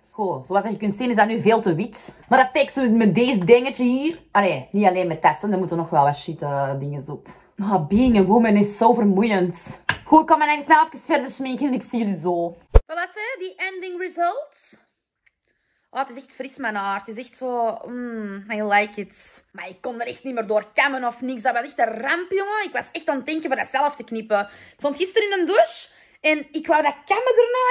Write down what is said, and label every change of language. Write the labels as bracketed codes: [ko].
[nl] Goh, zoals je kunt zien is dat nu veel te wit. Maar dat fixen we met deze dingetje hier. Allee, niet alleen met testen, er moeten nog wel wat shit dingen op. [en] Oh, being a woman is [nl] zo vermoeiend. Goed, ik kan mijn eigen snel even verder schminken en ik zie jullie zo. Voilà, ze, die [en] ending results. [nl] Oh, het is echt fris, mijn haar. Het is echt zo... [en] I like it. [nl] Maar ik kon er echt niet meer door kammen of niks. Dat was echt een ramp, jongen. Ik was echt aan het denken voor dat zelf te knippen. Ik stond gisteren in een douche en ik wou dat kammen erna.